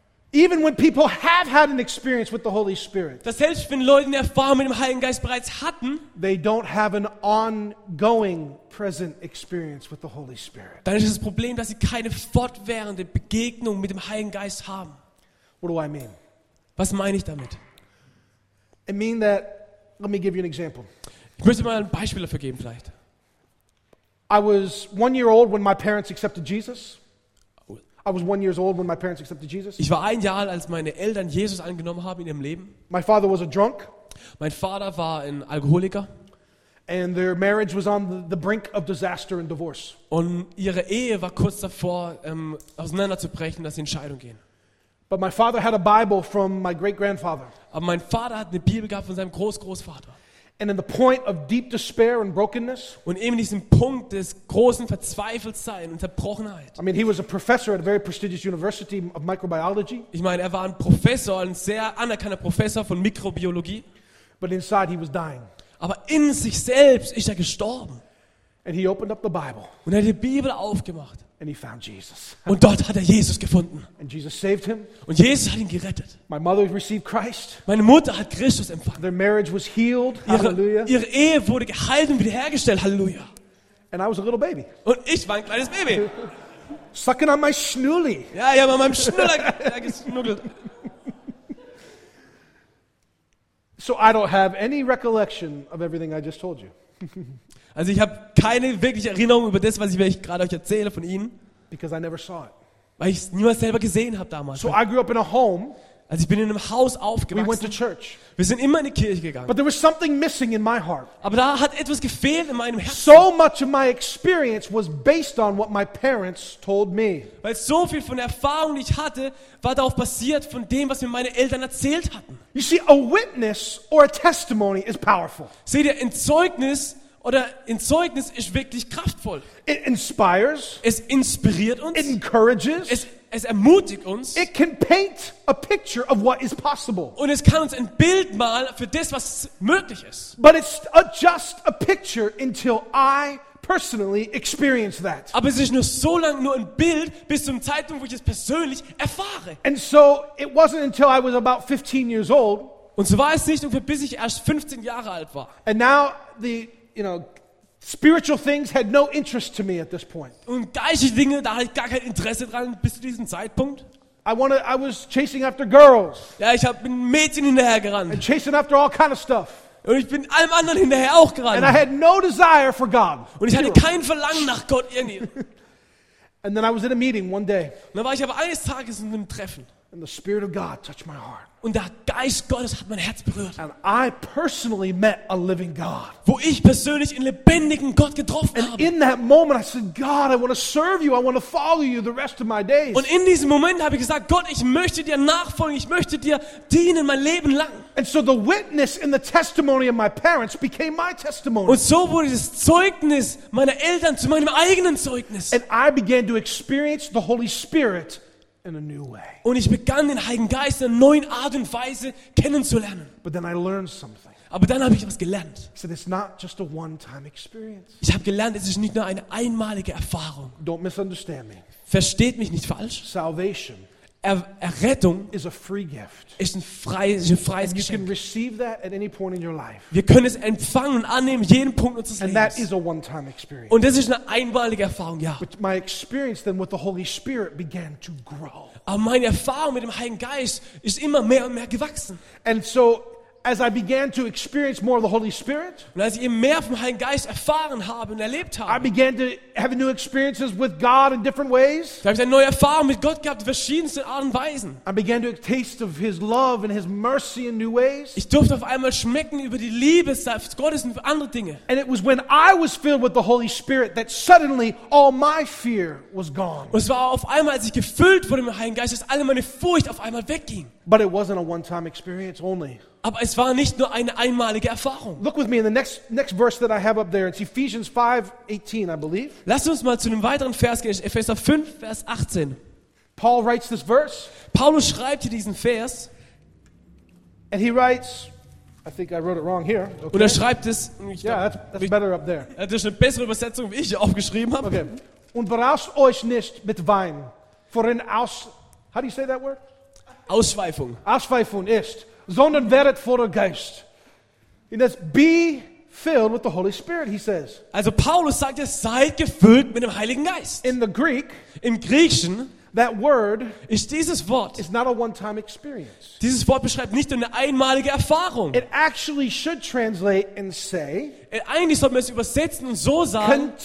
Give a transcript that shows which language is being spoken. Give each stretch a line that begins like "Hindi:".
English: Even when people have had an experience with the Holy Spirit,
German: dass selbst wenn Leute eine Erfahrung mit dem Heiligen Geist bereits hatten,
English: they don't have an ongoing present experience with the Holy Spirit.
German: Dann ist das Problem, dass sie keine fortwährende Begegnung mit dem Heiligen Geist haben.
English: What do I mean?
German: Was meine ich damit?
English: I mean that. Let me give you an example.
German: Ich möchte mal ein Beispiel dafür geben, vielleicht.
English: I was 1 year old when my parents accepted Jesus. I was 1 year old when my parents accepted Jesus.
German: Ich war ein Jahr alt, als meine Eltern Jesus angenommen haben in ihrem Leben.
English: My father was a drunk.
German: Mein Vater war ein Alkoholiker.
English: And their marriage was on the brink of disaster and divorce.
German: Und ihre Ehe war kurz davor, auseinanderzubrechen, dass sie in Scheidung gehen.
English: But my father had a Bible from my great grandfather.
German: Aber mein Vater hat eine Bibel gehabt von seinem Großgroßvater.
English: And in the point of deep despair and brokenness.
German: Und eben diesen Punkt des großen Verzweifeltseins und Zerbrochenheit.
English: I mean, he was a professor at a very prestigious university of microbiology.
German: Ich meine, er war ein Professor, ein sehr anerkannter Professor von Mikrobiologie.
English: But inside he was dying.
German: Aber in sich selbst ist er gestorben.
English: And he opened up the Bible.
German: Und er hat die Bibel aufgemacht.
English: And he found Jesus.
German: Und dort hat er Jesus gefunden.
English: And Jesus saved him.
German: Und Jesus hat ihn gerettet.
English: My mother received Christ.
German: Meine Mutter hat Christus empfangen.
English: Their marriage was healed. Hallelujah.
German: Ihre Ehe wurde geheilt und wiederhergestellt. Hallelujah.
English: And I was a little baby.
German: Und ich war ein kleines Baby.
English: Sucking on my schnulli.
German: Ja, ja, an meinem Schnuller geschnuggelt.
English: So I don't have any recollection of everything I just told you.
German: Also ich habe keine wirkliche Erinnerung über das, was ich euch gerade erzähle von ihnen.
English: Because I never saw it.
German: Weil ich es niemals selber gesehen habe damals.
English: So I grew up in a home,
German: Also ich bin in einem Haus aufgewachsen.
English: We went to church.
German: Wir sind immer in die Kirche gegangen.
English: But there was something missing in my heart.
German: Aber da hat etwas gefehlt in meinem Herzen.
English: So much of my experience was based on what my parents told me.
German: Weil so viel von der Erfahrung, die ich hatte, war darauf basiert von dem, was mir meine Eltern erzählt hatten.
English: You see, a witness or a testimony is powerful.
German: Seht ihr, ein Zeugnis oder ein Zeugnis ist wirklich kraftvoll.
English: It inspires.
German: Es inspiriert uns.
English: It encourages.
German: Es ermutigt uns.
English: It can paint a picture of what is possible.
German: Und es kann uns ein Bild malen für das, was möglich ist.
English: But it's just a picture until I personally experience that.
German: Aber es ist nur so lange nur ein Bild bis zum Zeitpunkt, wo ich es persönlich erfahre.
English: And so it wasn't until I was about 15 years old.
German: Und so war es nicht ungefähr bis ich erst 15 Jahre alt war.
English: And now the spiritual things had no interest to me at this point.
German: Und geistliche Dinge, da hatte ich gar kein Interesse dran bis zu diesem Zeitpunkt.
English: I was chasing after girls.
German: Ja, ich habe mit Mädchen hinterher gerannt.
English: And chasing after all kind of stuff.
German: Und ich bin allem anderen hinterher auch gerannt.
English: And I had no desire for God.
German: Und ich hatte kein Verlangen nach Gott irgendwie.
English: And then I was in a meeting one day.
German: Und dann war ich aber eines Tages in einem Treffen.
English: And the Spirit of God touched my heart.
German: Und der Geist Gottes hat mein Herz berührt.
English: And I personally met a living God.
German: Wo ich persönlich einen lebendigen Gott getroffen
English: And
German: habe.
English: And in that moment I said, God, I want to serve you. I want to follow you the rest of my days.
German: Und in diesem Moment habe ich gesagt, Gott, ich möchte dir nachfolgen. Ich möchte dir dienen mein Leben lang.
English: And so the witness in the testimony of my parents became my testimony.
German: Und so wurde das Zeugnis meiner Eltern zu meinem eigenen Zeugnis.
English: And I began to experience the Holy Spirit in a new way.
German: Und ich begann den Heiligen Geist in einer neuen Art und Weise kennenzulernen.
English: But then I learned something.
German: Aber dann habe ich was gelernt.
English: So it's not just a one-time experience.
German: Ich habe gelernt, es ist nicht nur eine einmalige Erfahrung.
English: Don't misunderstand me.
German: Versteht mich nicht falsch.
English: Salvation
German: Errettung
English: is a free gift.
German: Ist ein freies Geschenk.
English: And you
German: Geschenk.
English: Can receive that at any point in your life.
German: Wir können es empfangen und annehmen jeden Punkt unseres
English: And
German: Lebens.
English: That is a one-time experience.
German: Und das ist eine einmalige Erfahrung, ja.
English: But my experience then with the Holy Spirit began to grow.
German: Aber meine Erfahrung mit dem Heiligen Geist ist immer mehr und mehr gewachsen.
English: And so as I began to experience more of the Holy Spirit,
German: und als ich eben mehr vom Heiligen Geist erfahren habe und erlebt habe,
English: I began to have new experiences with God in different ways.
German: Da habe ich eine neue Erfahrung mit Gott gehabt, verschiedenste Arten und Weisen.
English: I began to taste of His love and His mercy in new ways.
German: Ich durfte auf einmal schmecken über die Liebe Gottes und andere Dinge.
English: And it was when I was filled with the Holy Spirit that suddenly all my fear was gone.
German: Und es war auf einmal, als ich gefüllt wurde mit dem Heiligen Geist, dass alle meine Furcht auf einmal wegging.
English: But it wasn't a one-time experience only.
German: Aber es war nicht nur eine einmalige Erfahrung.
English: Look with me in the next verse that I have up there. It's Ephesians 5:18, I believe.
German: Lass uns mal zu einem weiteren Vers gehen. Epheser 5, Vers 18.
English: Paul writes this verse.
German: Paulus schreibt hier diesen Vers.
English: And he writes, I think I wrote it wrong here.
German: Okay. Und schreibt es.
English: Yeah, that's better up there.
German: Das ist eine bessere Übersetzung, wie ich hier aufgeschrieben habe.
English: Okay.
German: Und berauscht euch nicht mit Wein, worin aus.
English: How do you say that word?
German: Ausschweifung. Ausschweifung ist. Sondern werdet voller Geist.
English: He says, be filled with the Holy Spirit, he says.
German: Also Paulus sagt, seid gefüllt mit dem Heiligen Geist.
English: In the Greek,
German: im Griechischen,
English: that word
German: ist dieses Wort.
English: Is not a one-time experience.
German: Dieses Wort beschreibt nicht nur eine einmalige Erfahrung.
English: It actually should translate and say,
German: eigentlich sollte man es übersetzen und so sagen,